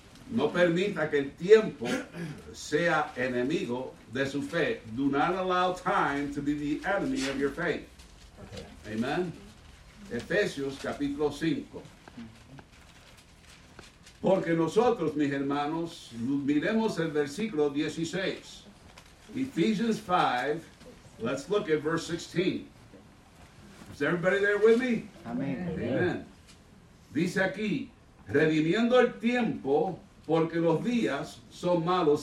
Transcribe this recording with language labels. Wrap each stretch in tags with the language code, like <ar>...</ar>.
<es>No permita que el tiempo sea enemigo de su fe.</es> <en>Do not allow time to be the enemy of your faith.</en> <es>Okay. Amen. Efesios capítulo 5. Porque nosotros, mis hermanos, miremos el versículo 16.</es> <en>Ephesians 5, let's look at verse 16. Is everybody there with me? Amen. Amen. Amen.</en> <es>Dice aquí, redimiendo el tiempo, porque los días son malos.</es>